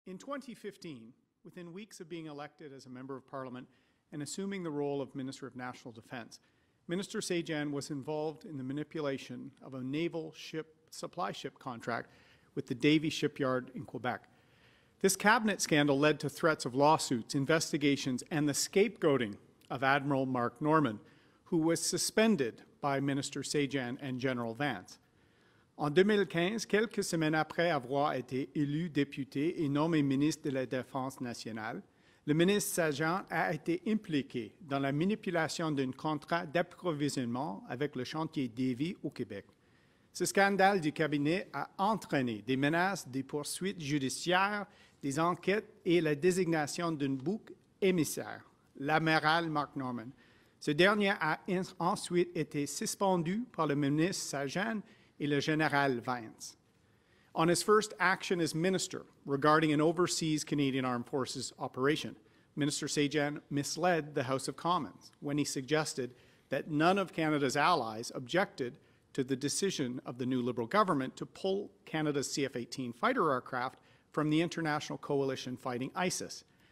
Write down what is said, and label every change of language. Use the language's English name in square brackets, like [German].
[English] In 2015, within weeks of being elected as a Member of Parliament and assuming the role of Minister of National Defence, Minister Sajjan was involved in the manipulation of a naval ship supply ship contract with the Davie Shipyard in Quebec. This cabinet scandal led to threats of lawsuits, investigations, and the scapegoating of Admiral Mark Norman, who was suspended by Minister Sajjan and General Vance. [French] En 2015, quelques semaines après avoir été élu député et nommé ministre de la Défense nationale, le ministre Sajjan a été impliqué dans la manipulation d'un contrat d'approvisionnement avec le chantier Davie au Québec. Ce scandale du cabinet a entraîné des menaces, des poursuites judiciaires, des enquêtes et la désignation d'un bouc émissaire, l'amiral Mark Norman. Ce dernier a ensuite été suspendu par le ministre Sajjan et le général Vance. [English] On his first action as minister regarding an overseas Canadian Armed Forces operation, Minister Sajjan misled the House of Commons when he suggested that none of Canada's allies objected to the decision of the new Liberal government to pull Canada's CF-18 fighter aircraft from the international coalition fighting ISIS.